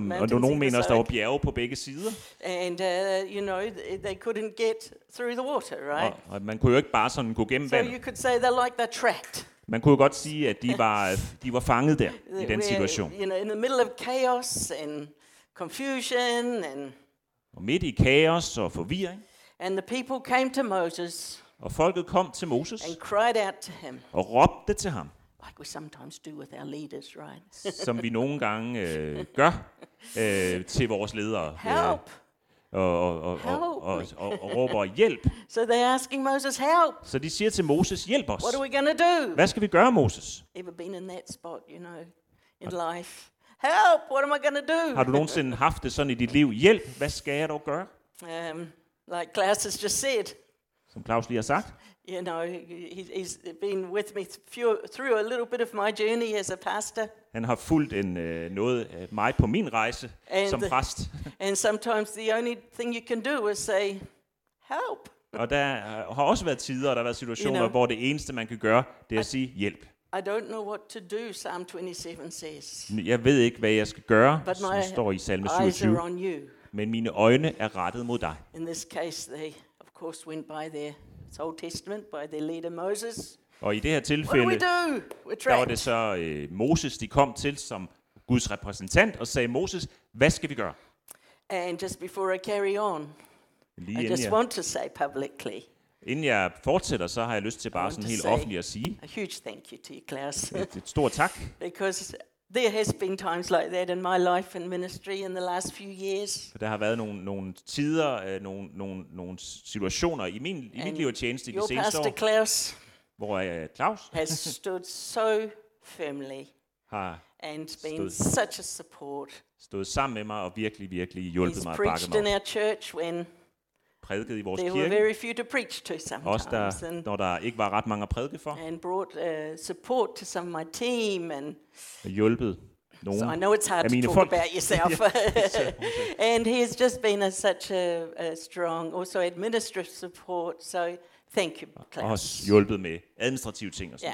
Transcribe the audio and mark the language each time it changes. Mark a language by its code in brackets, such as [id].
[da] Og nogen mener også, der var bjerge på begge sider. [en] And you know, they couldn't get through the water, right? [da] Og man kunne jo ikke bare sådan gå gennem vandet. [en] So you could say they're like they're trapped. [da] Man kunne jo godt sige, at de var fanget der i den situation. [en] You know, in the middle of chaos and confusion and [da] og midt i kaos og forvirring. [en] And the people came to Moses. [da] Og folket kom til Moses. [en] And cried out to him. [da] Og råbte til ham. [en] Like we sometimes do with our leaders, right? [da] Som vi nogle gange gør til vores ledere. [en] Help. [da] Og råber hjælp. [en] So they're asking Moses help. [da] Så de siger til Moses hjælp os. [en] What are we gonna do? [da] Hvad skal vi gøre, Moses? [en] Ever been in that spot, you know, in life? Help! What am I gonna do? [da] Har du nogensinde haft det sådan i dit liv? Hjælp! Hvad skal jeg dog gøre? [en] Like Klaus has just said. [da] Som Klaus lige har sagt. [en] You know, he's been with me through a little bit of my journey as a pastor. [da] Han har fulgt mig på min rejse and som præst. [en] And sometimes the only thing you can do is say, help. [da] Og der har også været tider, og der har været situationer, [en] you know, [da] hvor det eneste, man kan gøre, det er at sige hjælp. [en] I don't know what to do, Psalm 27 says. [da] Jeg ved ikke, hvad jeg skal gøre, som står i Salme 27. Men mine øjne er rettet mod dig. [en] In this case, they of course went by their Old Testament, by their leader Moses. [da] Og i det her tilfælde, der var det så Moses, de kom til som Guds repræsentant og sagde, Moses, hvad skal vi gøre? [en] And just before I carry on, [da] lige [en] I just want to say publicly. [da] Inden jeg fortsætter, så har jeg lyst til bare sådan helt offentligt at sige. [en] A huge thank you to you, Klaus. [da] Et stort tak. [en] Because there has been times like that in my life and ministry in the last few years. [da] Der har været nogle tider, nogle situationer i mit liv og tjeneste de seneste år. [en] Pastor Klaus. [da] Hvor er Klaus? [en] Has stood so firmly. And been such a support. [da] Stod sammen med mig og virkelig, virkelig hjulpet mig og bakket mig. [en] He's preached in our church when [da] prædiket i vores kirke. [en] There were very few to preach to sometimes. [da] Også der, når der ikke var ret mange at prædike for. [en] And brought support to some of my team and [da] hjulpet nogen. [en] So I know it's hard to talk [da] folk [en] about yourself. And he's just been such a strong, also administrative support. So thank you, Klaus. [da] Og også hjulpet med administrative ting og sådan.